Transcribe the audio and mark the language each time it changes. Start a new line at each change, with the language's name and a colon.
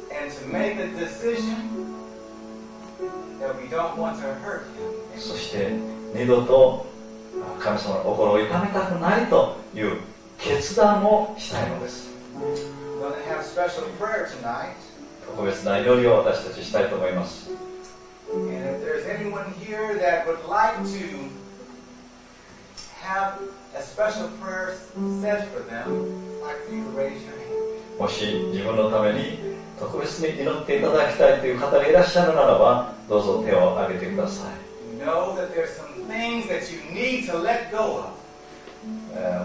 English: And to make the decision that we don't want to hurt him.
Japanese: そして二度と神様の心を痛めたくないという決断をしたいのです。
English: We're going to have special prayer tonight.
Japanese: 特別な祈りを私たちしたいと思います。
English: And if there's anyone here that would like to have a special prayer said for them, I'd like to raise your hand.
Japanese: もし自分のために特別に祈っていただきたいという方がいらっしゃるならば、どうぞ手を挙げてください。
English: Know that there's some things that you need to let go of.